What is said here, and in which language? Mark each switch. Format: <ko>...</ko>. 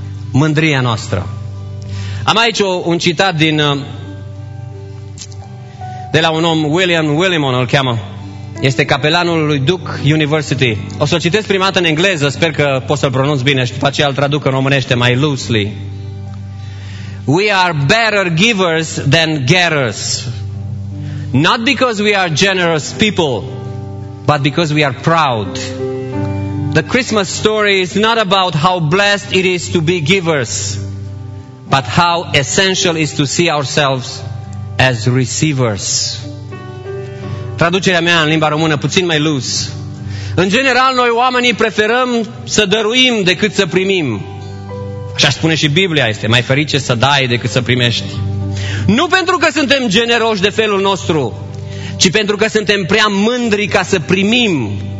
<ro>Mândria noastră. Am aici un citat de la un om, William Willimon îl cheamă. Este capelanul lui Duke University. O să-l citesc prima dată în engleză, sper că pot să-l pronunț bine și după aceea îl traduc în românește mai loosely.</ro> <en>We are better givers than getters. Not because we are generous people, but because we are proud. The Christmas story is not about how blessed it is to be givers, but how essential it is to see ourselves as receivers.</en> <ro>Traducerea mea în limba română puțin mai lus. În general, noi oamenii preferăm să dăruim decât să primim. Așa spune și Biblia, este mai ferice să dai decât să primești. Nu pentru că suntem generoși de felul nostru, ci pentru că suntem prea mândri ca să primim.</ro>